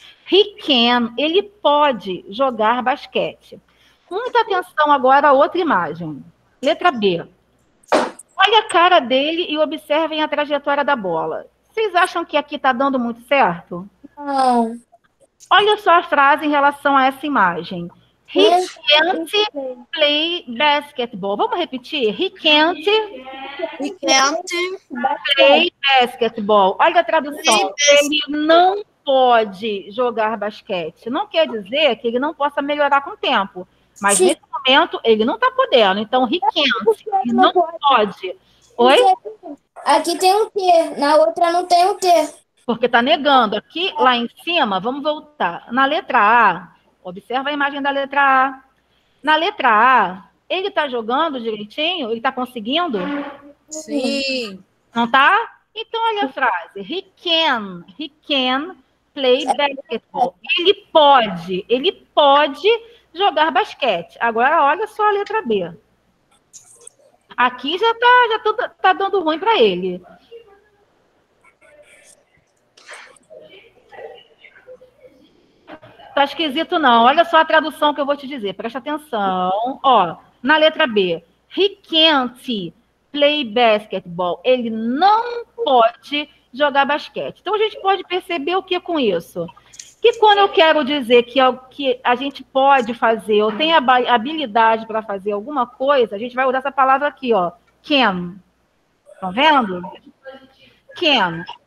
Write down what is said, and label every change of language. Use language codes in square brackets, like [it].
[en] He can, [pt] ele pode jogar basquete. Muita atenção agora a outra imagem. Letra B. Olha a cara dele e observem a trajetória da bola. Vocês acham que aqui está dando muito certo? Não. Olha só a frase em relação a essa imagem. [en] He can't play basketball. [pt] Vamos repetir? [en] He can't play basketball. [pt] Olha a tradução. Ele não pode jogar basquete. Não quer dizer que ele não possa melhorar com o tempo. Mas sim, nesse momento, ele não está podendo. Então, he can't. Ele não pode. Oi? Aqui tem um T. Na outra não tem um T. Porque está negando. Aqui, lá em cima, vamos voltar. Na letra A... Observa a imagem da letra A. Na letra A, ele está jogando direitinho? Ele está conseguindo? Sim. Não está? Então, olha a frase. [en] He can play basketball. [pt] Ele pode jogar basquete. Agora, olha só a letra B. Aqui já tá dando ruim para ele. Tá esquisito, não. Olha só a tradução que eu vou te dizer. Presta atenção. Ó, na letra B. [en] He can't play basketball. [pt] Ele não pode jogar basquete. Então, a gente pode perceber o que com isso? Que quando eu quero dizer que a gente pode fazer ou tem habilidade para fazer alguma coisa, a gente vai usar essa palavra aqui, ó. Can. Estão vendo? Can.